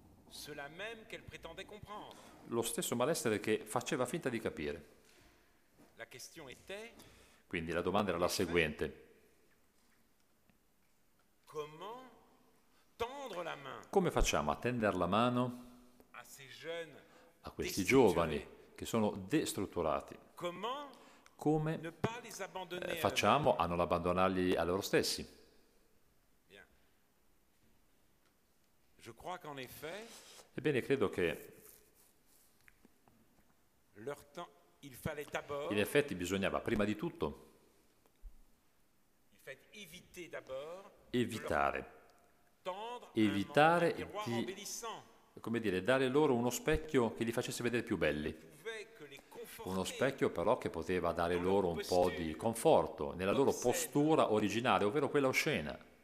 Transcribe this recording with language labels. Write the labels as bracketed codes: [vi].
[fr] Cela même qu'elle prétendait comprendre. [it] Lo stesso malessere che faceva finta di capire. [fr] La question était, [it] quindi la domanda era la seguente: [fr] comment tendre la main, [it] come facciamo a tendere la mano [fr] a, ces jeunes [it] a questi giovani che sono destrutturati? [fr] Comment [it] come [fr] ne pas les abbandonner [it] facciamo a non abbandonarli a loro stessi? [fr] Je crois qu'en effet, [it] ebbene, credo che [fr] leur temps, il fallait d'abord, [it] in effetti bisognava prima di tutto [fr] il fallait éviter d'abord, [it] evitare, [fr] tendre [it] evitare [fr] un [it] di [fr] embellissant. [it] Come dire, dare loro uno specchio che li facesse vedere più belli. Uno specchio però che poteva dare loro un po' di conforto nella loro postura originale, ovvero quella oscena.